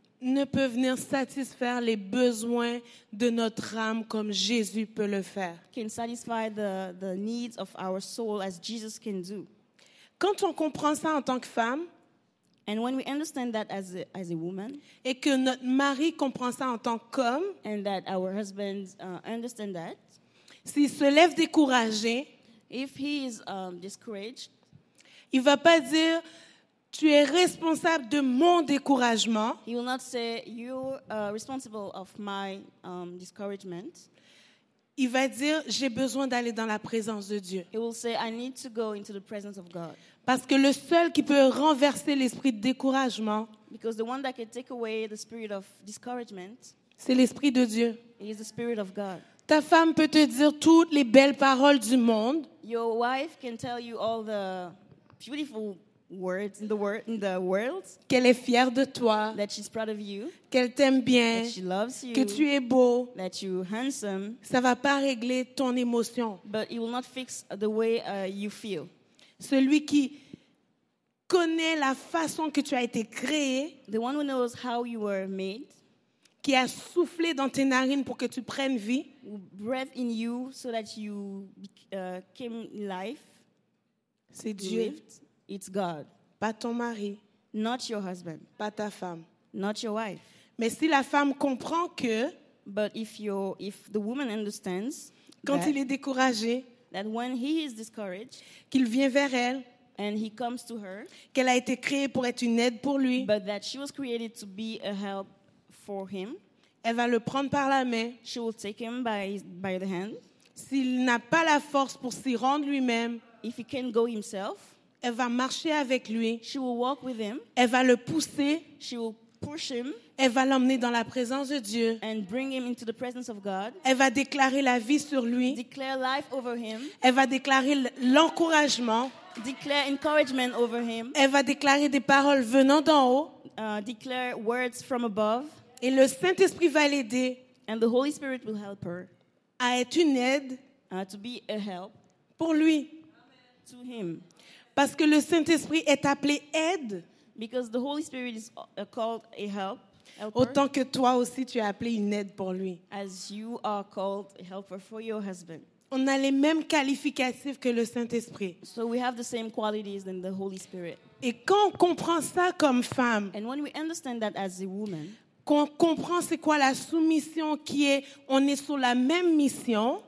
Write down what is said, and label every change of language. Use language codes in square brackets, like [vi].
[fr] ne peut venir satisfaire les besoins de notre âme comme Jésus peut le faire. [en] Can satisfy the needs of our soul as Jesus can do. [fr] Quand on comprend ça en tant que femme, [en] and when we understand that as a woman, [fr] et que notre mari comprend ça en tant qu'homme, [en] and that our husband understand that, [fr] s'il se lève découragé, [en] if he is discouraged, [fr] il va pas dire tu es responsable de mon découragement. [en] He will not say you're responsible of my discouragement. [fr] Il va dire j'ai besoin d'aller dans la présence de Dieu. [en] He will say I need to go into the presence of God. [fr] Parce que le seul qui peut renverser l'esprit de découragement, [en] because the one that can take away the spirit of discouragement, [fr] c'est l'esprit de Dieu. [en] It is the spirit of God. [fr] Ta femme peut te dire toutes les belles paroles du monde. [en] Your wife can tell you all the beautiful words in the world, [fr] qu'elle est fière de toi, [en] that she's proud of you, [fr] qu'elle t'aime bien, [en] that she loves you, [fr] que tu es beau, [en] that you're handsome, [fr] ça va pas régler ton émotion, [en] but it will not fix the way you feel. [fr] Celui qui connaît la façon que tu as été créé, [en] the one who knows how you were made, [fr] qui a soufflé dans tes narines pour que tu prennes vie, [en] who breathed in you so that you came life, [fr] c'est Dieu. [en] Lived. It's God. [fr] Pas ton mari. [en] Not your husband. [fr] Pas ta femme. [en] Not your wife. [fr] Mais si la femme comprend que, [en] but if the woman understands, [fr] quand il est découragé, [en] that when he is discouraged, [fr] qu'il vient vers elle, [en] and he comes to her, [fr] qu'elle a été créée pour être une aide pour lui, [en] but that she was created to be a help for him, [fr] elle va le prendre par la main. [en] She will take him by the hand. [fr] S'il n'a pas la force pour s'y rendre lui-même, [en] if he can't go himself, [fr] elle va marcher avec lui. [en] She will walk with him. [fr] Elle va le pousser. [en] She will push him. [fr] Elle va l'emmener dans la présence de Dieu. [en] And bring him into the presence of God. [fr] Elle va déclarer la vie sur lui. [en] Declare life over him. [fr] Elle va déclarer l'encouragement. [en] Declare encouragement over him. [fr] Elle va déclarer des paroles venant d'en haut. [en] Declare words from above. [fr] Et le Saint-Esprit va l'aider. [en] And the Holy Spirit will help her. [fr] À être une aide. [en] To be a help. [fr] Pour lui. [en] Amen. To him. [fr] Parce que le Saint-Esprit est appelé aide. [en] Because the Holy Spirit is called a help. Helper. [fr] Autant que toi aussi tu es appelé une aide pour lui. [en] As you are called a helper for your husband. [fr] On a les mêmes qualificatifs que le Saint-Esprit. [en] So we have the same qualities than the Holy Spirit. [fr] Et quand on comprend ça comme femme, [en] and when we understand that as a woman, [fr] qu'on comprend c'est quoi la soumission qui est, on est sur la même mission,